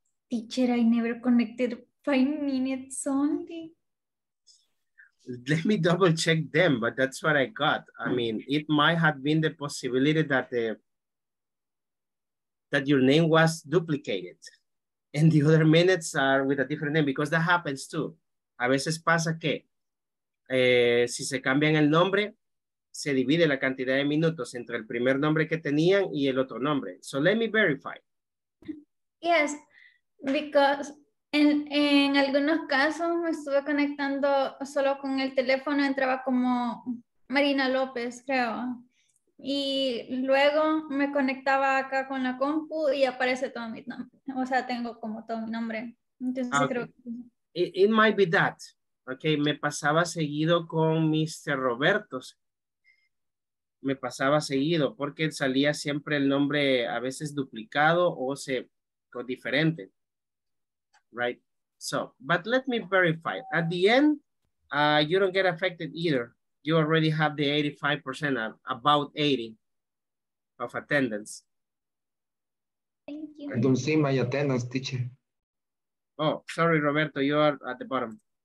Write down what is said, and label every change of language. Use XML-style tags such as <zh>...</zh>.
<en>Teacher, I never connected 5 minutes only. Let me double check them, but that's what I got. I mean, it might have been the possibility that that your name was duplicated and the other minutes are with a different name, because that happens too.</en> <es>A veces pasa que si se cambian el nombre, se divide la cantidad de minutos entre el primer nombre que tenían y el otro nombre.</es> <en>So let me verify. Yes, because</en> <es>en algunos casos me estuve conectando solo con el teléfono, entraba como Marina López, creo. Y luego me conectaba acá con la compu y aparece todo mi nombre. O sea, tengo como todo mi nombre. Entonces okay. Creo que...</es> <en>It might be that.</en> <es>Okay, me pasaba seguido con Mr. Roberto. Me pasaba seguido porque salía siempre el nombre a veces duplicado o se diferente.</es> <en>Right. So, but let me verify. At the end, you don't get affected either. You already have the 85%, about 80 of attendance. Thank you. I don't see my attendance, teacher. Oh, sorry, Roberto, you are at the bottom.</en>